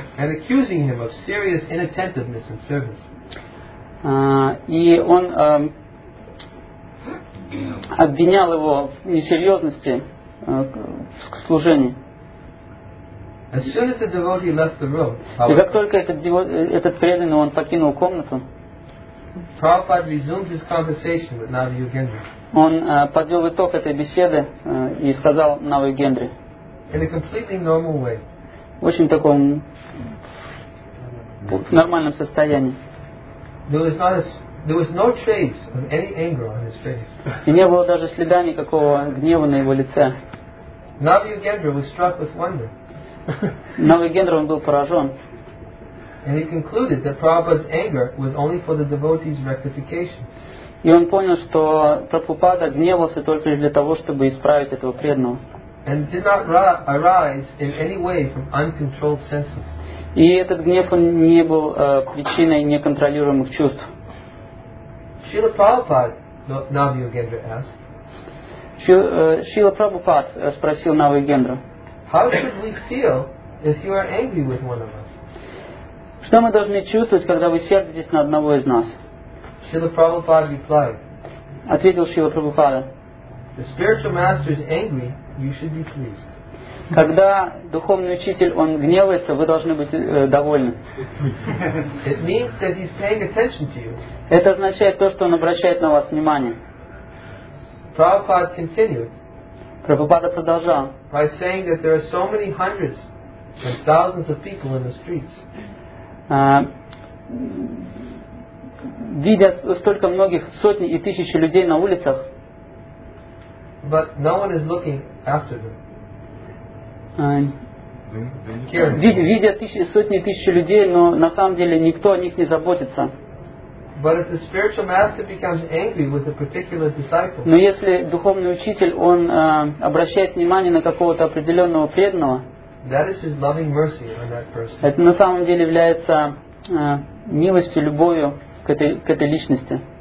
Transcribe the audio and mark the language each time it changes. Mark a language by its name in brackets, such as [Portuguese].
[English] and accusing him of serious inattentiveness in service. [Russian] Обвинял его в несерьезности в служении. [English] As soon as the devotee left the room, [Russian] и как только этот преданный, он покинул комнату, [English] Prabhupada resumed his conversation with Navi Yugendra. [Russian] Он подвел итог этой беседы и сказал Нава Йогендре. [English] In a completely normal way. [Russian] В очень таком нормальном состоянии. [English] There was no trace of any anger on his face. [Russian] И не было даже следа никакого гнева на его лице. [English] Navi Yugendra was struck with wonder. [Russian] Навы Гендра, он был поражен. [English] And he concluded that Prabhupada's anger was only for the devotee's rectification. [Russian] И он понял, что Прабхупада гневался только для того, чтобы исправить этого преданного. [English] And did not arise in any way from uncontrolled senses. [Russian] И этот гнев, он не был причиной неконтролируемых чувств. [English] Srila Prabhupada, Navi Yugendra asked. [Russian] Srila Prabhupada спросил Навы Гендра. [English] How should we feel if you are angry with one of us? [Russian] Что мы должны чувствовать, когда вы сердитесь на одного из нас? [English] Srila Prabhupada replied. [Russian] Ответил Srila Prabhupada. [English] The spiritual master is angry, you should be pleased. [Russian] Когда духовный учитель он гневается, вы должны быть довольны. [English] It means that he's paying attention to you. [Russian] Это означает то, что он обращает на вас внимание. [English] Prabhupada continued. [Russian] Прабхупада продолжал. [English] By saying that there are so many hundreds and thousands of people in the streets. [Russian] Видя столько многих сотни и тысячи людей на улицах. [English] But no one is looking after them. [Russian] Видя тысячи, сотни тысяч людей, но на самом деле никто о них не заботится. [English] But if the spiritual master becomes angry with a particular disciple. [Russian] Но если духовный учитель он обращает внимание на какого-то определенного преданного. [English] That is his loving mercy on that person. [Russian] Это на самом деле является милостью, любовью к этой личности.